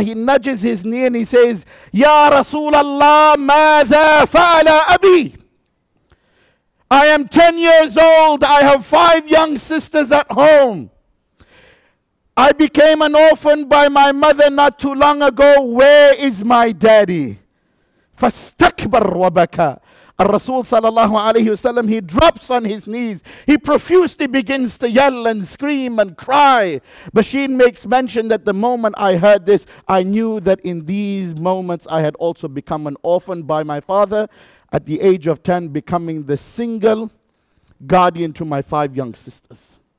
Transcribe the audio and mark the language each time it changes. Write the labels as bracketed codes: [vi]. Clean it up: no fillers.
[en] He nudges his knee and he says, Ya Rasulallah, [ar] ماذا فعل أبي? [en] I am 10 years old. I have 5 young sisters at home. I became an orphan by my mother not too long ago. Where is my daddy? [ar] فَاسْتَكْبَرْ وَبَكَى الرَّسُولُ صلى الله عليه وسلم, [en] he drops on his knees. He profusely begins to yell and scream and cry. Bashir makes mention that the moment I heard this, I knew that in these moments I had also become an orphan by my father at the age of 10, becoming the single guardian to my 5 young sisters.